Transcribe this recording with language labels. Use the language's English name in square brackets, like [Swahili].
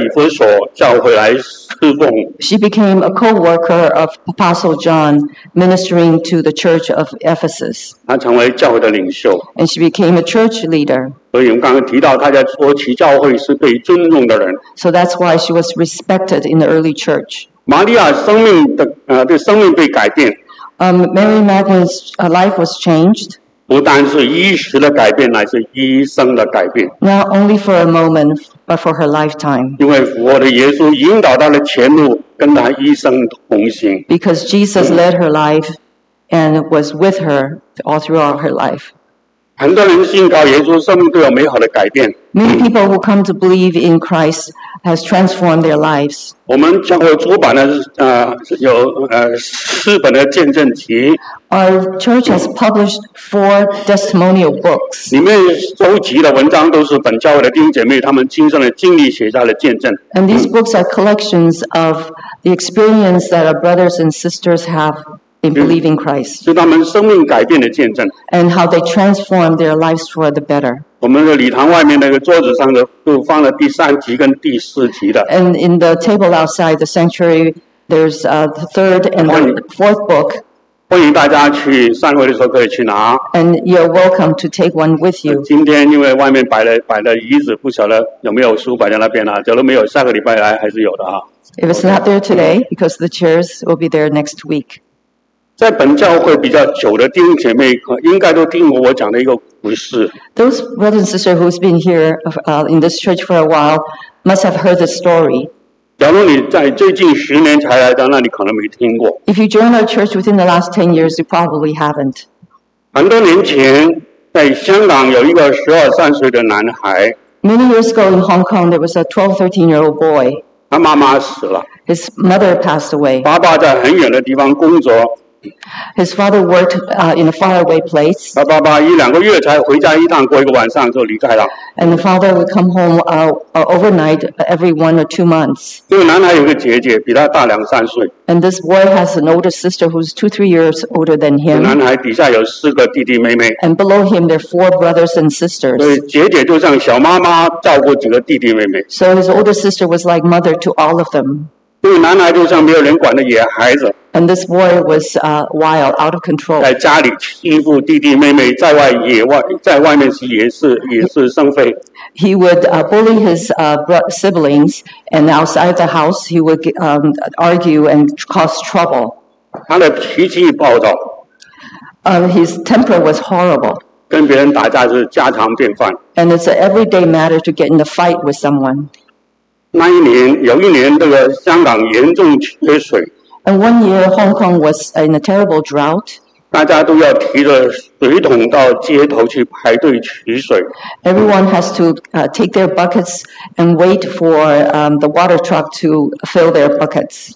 [Chinese] 后来以使徒约翰同工在以弗所教会来侍奉, [English] she became a co-worker of Apostle John, ministering to the church of Ephesus. [Chinese] 她成为教会的领袖, [English] and she became a church leader. [Chinese] 所以我们刚刚提到她在初期教会是被尊重的人, [English] so that's why she was respected in the early church. [Chinese] 玛利亚生命被改变, [English] Mary Magdalene's life was changed. [Chinese] 不单是衣食的改变, 乃是医生的改变, [English] not only for a moment, but for her lifetime. [Chinese] 因为复活的耶稣引导到了前路, 跟她一生同行, [English] because Jesus led her life and was with her all throughout her life. [Chinese] 很多人信靠耶稣，生命都有美好的改变。 [English] Many people who come to believe in Christ has transformed their lives. [Chinese] 我们教会出版了有四本的见证集。 [English] Our church has published 4 testimonial books. [Chinese] 里面收集的文章都是本教会的弟兄姐妹他们亲身的经历写下的见证。 [English] And these books are collections of the experience that our brothers and sisters have. In believing Christ, [Chinese] 是他们生命改变的见证。 [English] And how they transform their lives for the better. [Chinese] 我们的礼堂外面那个桌子上的都放了第三集跟第四集的。 [English] And in the table outside the sanctuary, there's the third and the fourth book. [Chinese] 欢迎大家去散会的时候可以去拿。 [English] And you're welcome to take one with you. [Chinese] 今天因为外面摆了椅子，不晓得有没有书摆在那边啊？假如没有，下个礼拜来还是有的啊。 [English] If it's not there today, because the chairs will be there next week. [Chinese] 在本教会比较久的弟兄姐妹，应该都听过我讲的一个故事。 [English] Those brothers and sisters who's been here in this church for a while must have heard the story. [Chinese] 假如你在最近十年才来到那里，可能没听过。 [English] If you joined our church within the last 10 years, you probably haven't. [Chinese] 很多年前，在香港有一个12、13岁的男孩。 [English] Many years ago in Hong Kong, there was a 12-13-year-old boy. [Chinese] 他妈妈死了。 [English] His mother passed away. [Chinese] 爸爸在很远的地方工作。 [English] His father worked in a faraway place. [Chinese] 他爸爸一两个月才回家一趟，过一个晚上就离开了。 [English] And the father would come home overnight every 1 or 2 months. [Chinese] 这个男孩有个姐姐，比他大两三岁。 [English] And this boy has an older sister who's 2-3 years older than him. [Chinese] 男孩底下有四个弟弟妹妹。 [English] And below him there are 4 brothers and sisters. [Chinese] 所以姐姐就像小妈妈，照顾几个弟弟妹妹。 [English] So his older sister was like mother to all of them. [Chinese] 这个男孩就像没有人管的野孩子。 [English] And this boy was wild, out of control. [Chinese] 在家里欺负弟弟妹妹，在外野外，在外面是也是生非。 [English] He would bully his siblings, and outside the house, he would argue and cause trouble. [Chinese] 他的脾气暴躁。 [English] His temper was horrible. [Chinese] 跟别人打架是家常便饭。 [English] And it's an everyday matter to get in a fight with someone. [Chinese] 那一年，有一年，这个香港严重缺水。 [English] And one year, Hong Kong was in a terrible drought. [Chinese] 大家都要提着水桶到街头去排队取水。 [English] Everyone has to take their buckets and wait for the water truck to fill their buckets.